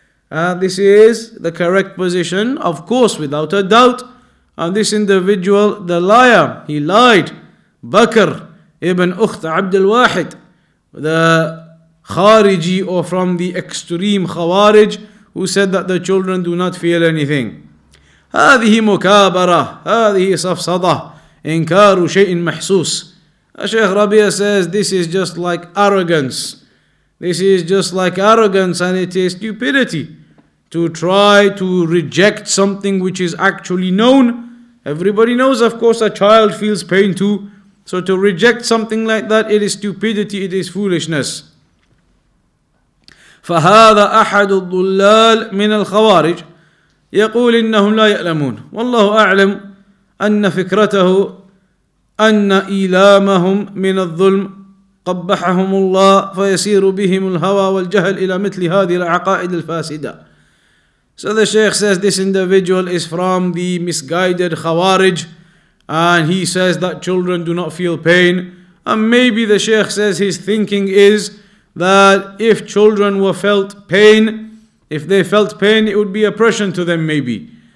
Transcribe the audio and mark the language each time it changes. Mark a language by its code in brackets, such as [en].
[en] And this is the correct position, of course, without a doubt. And this individual, the liar, he lied. Bakr ibn Ukht Abdul Wahid, the khariji, or from the extreme khawarij, who said that the children do not feel anything. [ar] هذه مكابرة هذه صفصدة إنكار شيء محسوس. [en] Shaykh Rabia says, this is just like arrogance. This is just like arrogance, and it is stupidity to try to reject something which is actually known. Everybody knows, of course, a child feels pain too. So to reject something like that, it is stupidity, it is foolishness. [ar] فهذا أحد الضلال من الخوارج يقول إنهم لا يعلمون والله أعلم أن فكرته أن إيلامهم من الظلم قبحهم الله فيسير بهم الهوى والجهل إلى مثل هذه العقائد الفاسدة. [en] So the Shaykh says this individual is from the misguided Khawarij, and he says that children do not feel pain. And maybe the Shaykh says his thinking is that if children were felt pain, if they felt pain, it would be oppression to them maybe.